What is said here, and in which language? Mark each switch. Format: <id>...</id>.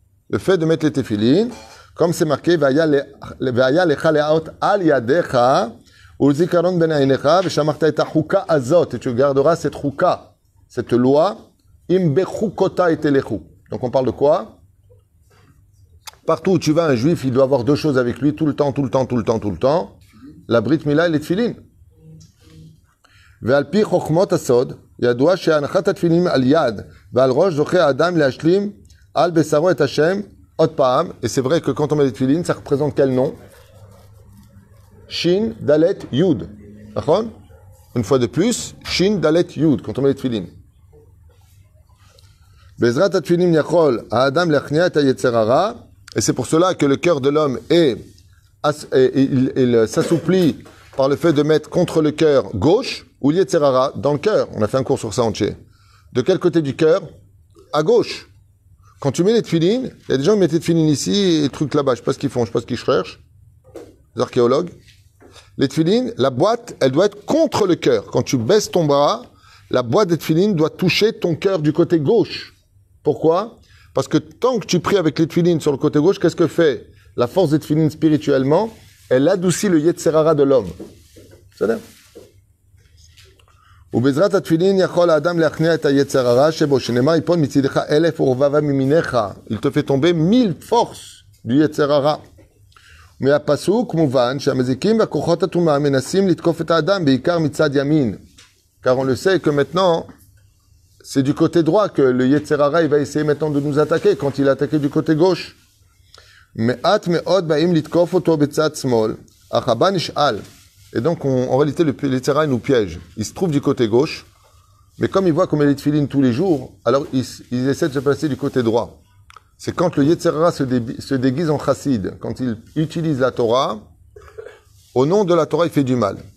<fr>Le fait de mettre les tefilin, comme c'est marqué,</fr> <he>vaya le chaleaot al yadecha, ולזיכרון בין עיניך, ושמחת את החוקה הזאת,</he> <fr>et tu garderas cette חוקה, cette loi,</fr> <he>אם בחוקותי תלכו.</he> <fr>Donc on parle de quoi? Partout où tu vas, un juif, il doit avoir deux choses avec lui, tout le temps, tout le temps, tout le temps, tout le temps. La Brit Mila et les Tfilin.</fr> <he>ועל פי חוכמות הסוד, ידוע שהנחת התפילים על יד, ועל ראש זוכה האדם להשלים על בשרו את השם, עוד פעם,</he> <fr>et c'est vrai que quand on met les Tfilin, ça représente quel nom? Shin, Dalet, Yud. D'accord? Une fois de plus, Shin, Dalet, Yud, quand on met les tefillin.</fr> <he>Bezrat ha-tefillin yachol, ha-adam l'achnia et ha-yetzer hara.</he> <fr>Et c'est pour cela que le cœur de l'homme il s'assouplit par le fait de mettre contre le cœur gauche ou l'yetzer hara dans le cœur. On a fait un cours sur ça entier. De quel côté du cœur? À gauche. Quand tu mets les tefillin, il y a des gens qui mettent les tefillin ici et les trucs là-bas. Je sais pas ce qu'ils font, je sais pas ce qu'ils cherchent. Les archéologues. Les tefillin, la boîte, elle doit être contre le cœur. Quand tu baisses ton bras, la boîte des tefillin doit toucher ton cœur du côté gauche. Pourquoi? Parce que tant que tu pries avec les tefillin sur le côté gauche, qu'est-ce que fait la force des tefillin spirituellement? Elle adoucit le yetzer hara de l'homme. C'est-à-dire?</fr> <he>ובעזרת התפילין יכול האדם להכניע את היצר הרע שבו, שנאמר יפול מצידך אלף ורבבה ממינך,</he> <fr>il te fait tomber mille forces du</fr> <he>יצר הרע. מהפסוק מובן שהמזיקים והכוחות הטומאה מנסים לתקוף את האדם, בעיקר מצד ימין.</he> <fr>Car on le sait que maintenant, c'est du côté droit que le יצר הרע va essayer maintenant de nous attaquer, quand il a attaqué du côté gauche.</fr> <he>מעט מאוד באים לתקוף אותו בצד שמאל, אך הבא נשאל.</he> <fr>Et donc, en réalité, le yetzer hara nous piège. Il se trouve du côté gauche, mais comme il voit qu'on met les tefillines tous les jours, alors il essaie de se placer du côté droit. C'est quand le yetzer hara se déguise en chassid, quand il utilise la Torah, au nom de la Torah, il fait du mal.</fr>